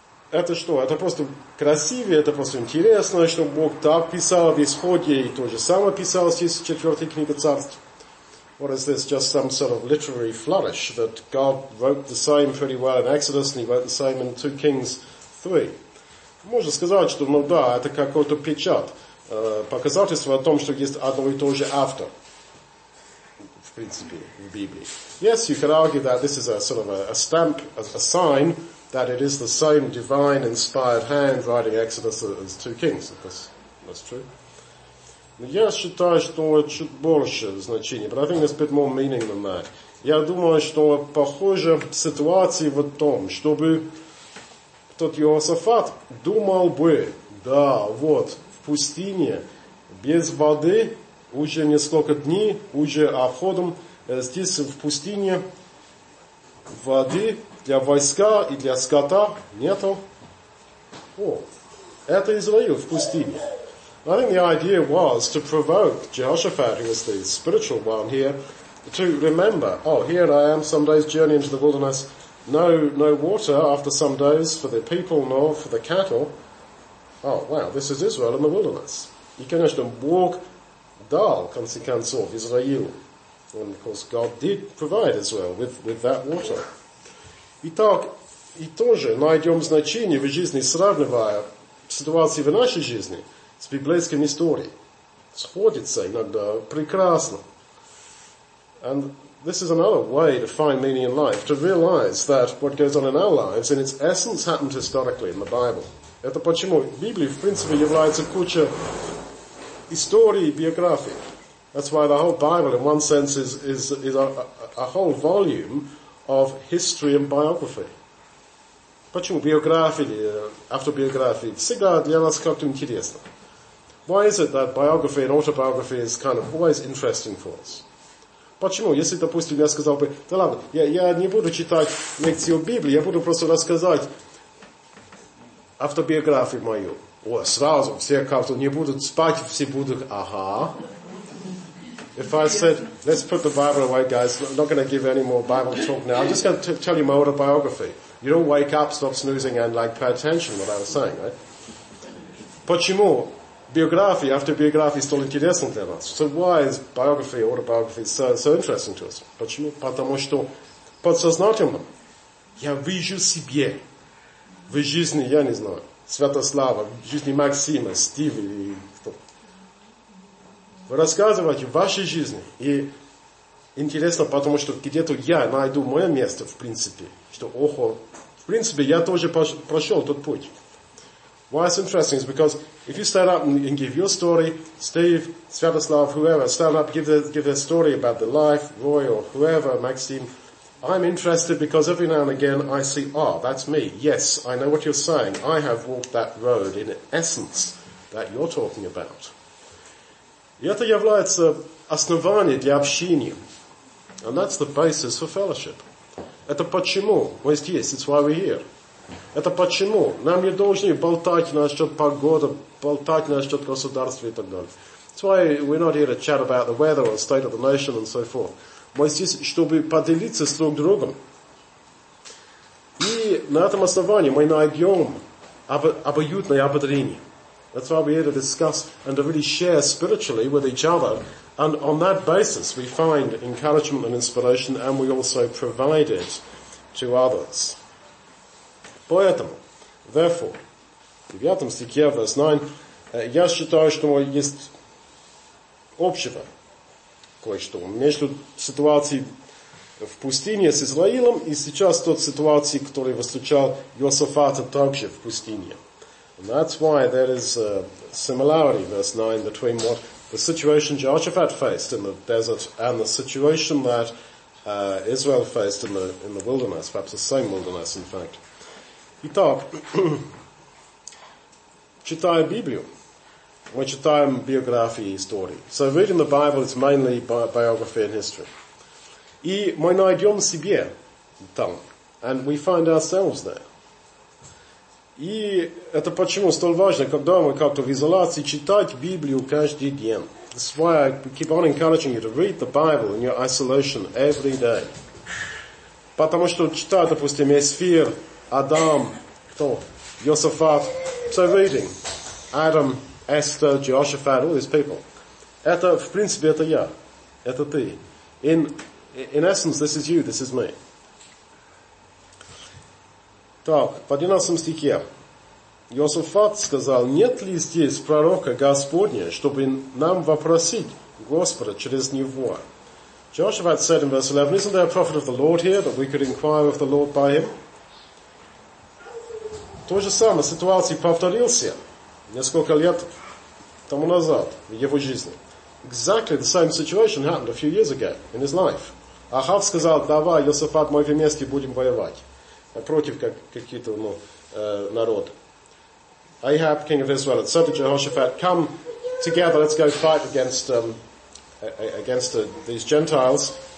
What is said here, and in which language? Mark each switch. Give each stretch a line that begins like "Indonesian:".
Russian: Это что? Это просто красивее, это просто интересно, что Бог так писал в Исходе и то же самое писал здесь в 4 книге Царств.
English: Or is this just some sort of literary flourish that God wrote the same pretty well in Exodus and he wrote the same in 2 Kings 3?
Russian: Можно сказать, что, ну да, это какой-то печат, показательство о том, что есть одно и то же автор, в принципе, в Библии.
English: Yes, you could argue that this is a sort of a stamp, a sign, that it is the same divine inspired hand writing Exodus as 2 Kings, if that's true.
Russian: Я считаю, что чуть больше значения,
English: but I think there's a bit more meaning than that.
Russian: Я думаю, что похоже ситуации в том, чтобы тот Иосафат думал бы, да, вот, в пустыне, без воды, уже несколько дней, уже обходом, здесь в пустыне воды для войска и для скота нету. О, это Израиль в пустыне.
English: I think the idea was to provoke Jehoshaphat, who is the spiritual one here, to remember, oh, here I am, some days journey into the wilderness, no water after some days for the people nor for the cattle. Oh, wow, this is Israel in the wilderness.
Russian: И, конечно, Бог дал, в конце концов, Израилу.
English: And, of course, God did provide Israel with that water.
Russian: Итак, и тоже найдем значение в жизни, сравнивая ситуацию в нашей жизни, с библейскими историями. Сходится иногда прекрасно.
English: And this is another way to find meaning in life, to realize that what goes on in our lives in its essence happened historically in the Bible.
Russian: Это почему Библия, в принципе, является кучей историй и биографий.
English: That's why the whole Bible, in one sense, is a whole volume of history and biography.
Russian: Почему биографии, автобиографии всегда для нас как-то интересно?
English: Why is it that biography and autobiography is kind of always interesting for us?
Russian: Почему? Если, допустим, я сказал бы, да ладно, я не буду читать лекцию Библии, я буду просто рассказать автобиографию мою. О, сразу все как-то не будут спать, все будут, ага.
English: If I said, let's put the Bible away, guys, I'm not going to give any more Bible talk now, I'm just going to tell you my autobiography. You don't wake up, stop snoozing, and like pay attention to what I was saying, right?
Russian: Почему?
English: biography after biography
Russian: стал интересным для нас.
English: So why is biography, autobiography so interesting to us?
Russian: Почему? Потому что подсознательно я вижу себе в жизни, я не знаю, Святослава, в жизни Максима, Стива и кто. Вы рассказываете вашей жизни. И интересно, потому что где-то я найду мое место, в принципе, что охо, в принципе, я тоже прошел тот путь.
English: Why it's interesting is because if you stand up and give your story, Steve, Svetoslav, whoever, stand up, give their story about their life, Roy or whoever, Maxime, I'm interested because every now and again I see, ah, that's me. Yes, I know what you're saying. I have walked that road in essence that you're talking about.
Russian: И это является основанием для общения.
English: And that's the basis for fellowship.
Russian: Это почему мы здесь,
English: it's why we're here.
Russian: Это почему? Нам не должны болтать насчет погоды, болтать насчет государства и так далее.
English: That's why we're not here to chat about the weather or the state of the nation and so forth.
Russian: Мы здесь, чтобы поделиться с друг другом. И на этом основании мы найдем обоюдное ободрение.
English: That's why we're here to discuss and to really share spiritually with each other. And on that basis we find encouragement and inspiration and we also provide it to others.
Russian: Поэтому,
English: therefore,
Russian: в 9 стихе,
English: verse 9,
Russian: я считаю, что есть общего кое-что между ситуацией в пустыне с Израилем и сейчас тот ситуацией, которую встречал Йосафат также в пустыне.
English: And that's why there is a similarity, verse 9, between what the situation Jehoshaphat faced in the desert and the situation that Israel faced in the wilderness, perhaps the same wilderness, in fact.
Russian: Итак, читая Библию, мы читаем биографии и истории.
English: So reading the Bible is mainly biography and history.
Russian: И мы найдем себе там,
English: and we find ourselves there.
Russian: И это почему столь важно, когда мы как-то в изоляции читать Библию каждый день.
English: That's why I keep on encouraging you to read the Bible in your isolation every day.
Russian: Потому что читать, допустим, Эсфир, Адам, кто?
English: Йосафат. So reading. Adam, Esther, Jehoshaphat, all these people.
Russian: Это, в принципе, это я. Это ты.
English: In essence, this is you, this is me.
Russian: Так, в 11 стихе. Йосафат сказал, нет ли здесь пророка Господня, чтобы нам вопросить Господа через него?
English: Jehoshaphat said in verse 11, isn't there a prophet of the Lord here that we could inquire of the Lord by him?
Russian: То же самое, ситуация повторился несколько лет тому назад в его жизни.
English: Exactly the same situation happened a few years ago in his life.
Russian: Ахав сказал, давай, Йосафат, мы вместе будем воевать. Против какие-то народы.
English: Ahab, king of Israel, had said to Jehoshaphat, come together, let's go fight against these Gentiles.